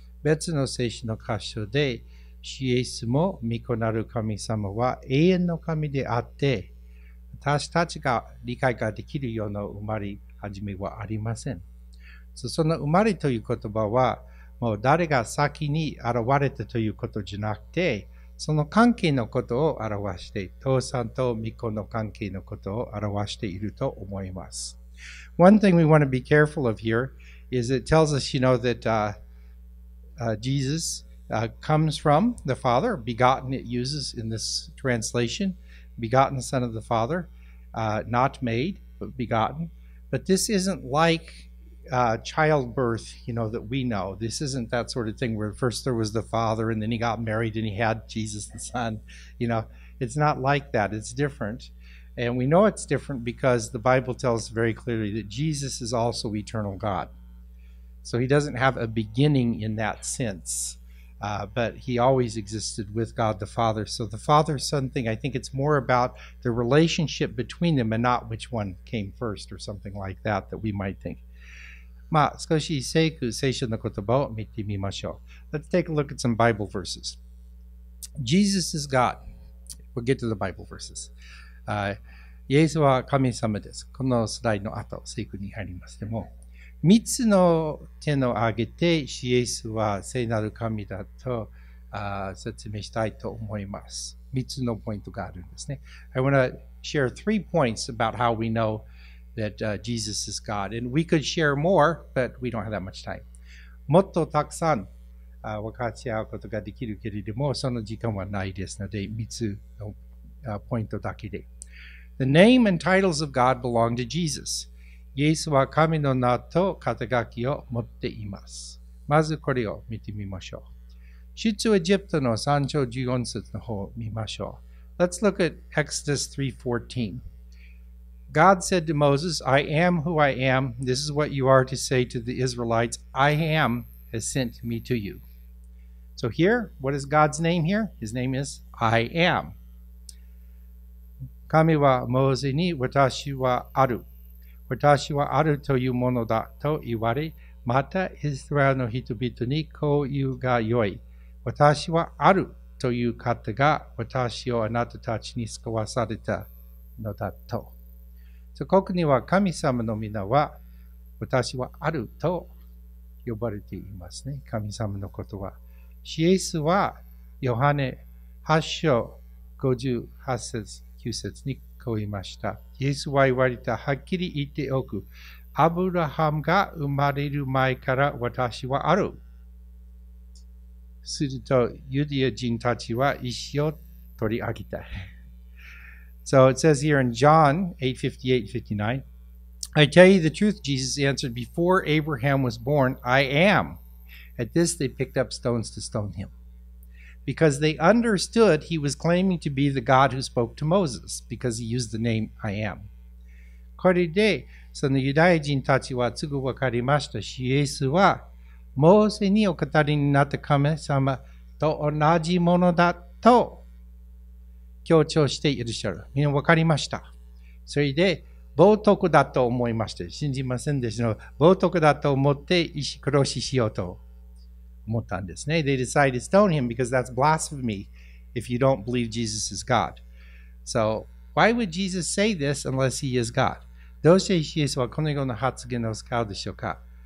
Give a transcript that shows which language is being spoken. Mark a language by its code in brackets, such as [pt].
[ja] 別の聖書の箇所で、イエスも御子なる神様は永遠の神であって、私たちが理解ができるような生まれ始めはありません。その生まれという言葉は、もう誰が先に現れたということじゃなくて、その関係のことを表して、父さんと御子の関係のことを表していると思います。 [en] One thing we want to be careful of here is it tells us, you know, that Jesus comes from the Father, begotten it uses in this translation. Begotten Son of the Father, not made, but begotten. But this isn't like childbirth, you know, that we know. This isn't that sort of thing where first there was the Father and then he got married and he had Jesus the Son. You know, it's not like that. It's different. And we know it's different because the Bible tells very clearly that Jesus is also eternal God. So he doesn't have a beginning in that sense. But he always existed with God the Father. So the Father-Son thing, I think it's more about the relationship between them and not which one came first or something like that that we might think. [ja] まあ、少し聖書の言葉を見てみましょう。 [en] Let's take a look at some Bible verses. Jesus is God. We'll get to the Bible verses. [ja] イエスは神様です。このスライドの後、聖句に入ります。でも、三つの手を挙げて、イエスは聖なる神だと説明したいと思います。三つのポイントがあるんですね。 [en] I want to share three points about how we know that Jesus is God. And we could share more, but we don't have that much time. [ja] もっとたくさん分かち合うことができるけれども、その時間はないですので、三つのポイントだけで。 [en] The name and titles of God belong to Jesus. [ja] イエスは神の名と肩書きを持っています。まずこれを見てみましょう。出エジプトの3章14節の方を見ましょう。 [en] Let's look at Exodus 3:14. God said to Moses, I am who I am. This is what you are to say to the Israelites. I am has sent me to you. So here, what is God's name here? His name is I am. [ja] 神はモーゼに私はある。私はあるというものだと言われ、またイスラエルの人々にこう言うがよい。私はあるという方が私をあなたたちに使わされたのだと。そこには神様の皆は私はあると呼ばれていますね。神様のことは。イエスはヨハネ8章58節9節にと言いました。イエスは言われた。はっきり言っておく。アブラハムが生まれる前から私はある。するとユダヤ人たちは石を取り上げた。 [en] So it says here in John 8:58-59, I tell you the truth, Jesus answered, before Abraham was born, I am. At this they picked up stones to stone him. Because they understood he was claiming to be the God who spoke to Moses, because he used the name I am. [ja] これで、そのユダヤ人たちはすぐ分かりました。イエスは、モーセにお語りになった神様と同じものだと強調していらっしゃる。みんな分かりました。それで、冒涜だと思いました。信じませんでしたの。冒涜だと思って石殺ししようと思ったんですね。 [en] They decided to stone him because that's blasphemy if you don't believe Jesus is God. So, why would Jesus say this unless he is God? [ja] どうしてイエスはこのような発言を使うでしょうか？